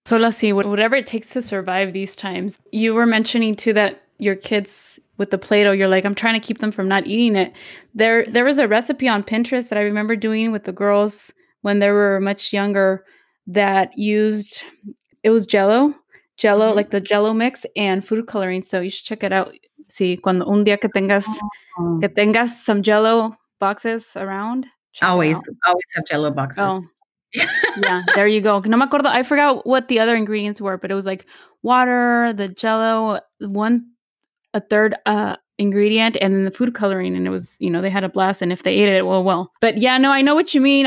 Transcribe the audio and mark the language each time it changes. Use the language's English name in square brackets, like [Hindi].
[English] So Lassie, whatever it takes to survive these times, you were mentioning too that your kids with the Play-Doh, you're like, I'm trying to keep them from not eating it. There was a recipe on Pinterest that I remember doing with the girls when they were much younger that used, it was Jell-O, mm-hmm. like the Jell-O mix and food coloring. So you should check it out. [Spanish] Sí, cuando un día que tengas [English] some Jell-O boxes around. Always have Jell-O boxes. Oh. Yeah, there you go. [Spanish] No me acuerdo. [English] I forgot what the other ingredients were, but it was like water, the Jell-O, a third ingredient, and then the food coloring. And it was, you know, they had a blast. And if they ate it, well. But yeah, no, I know what you mean.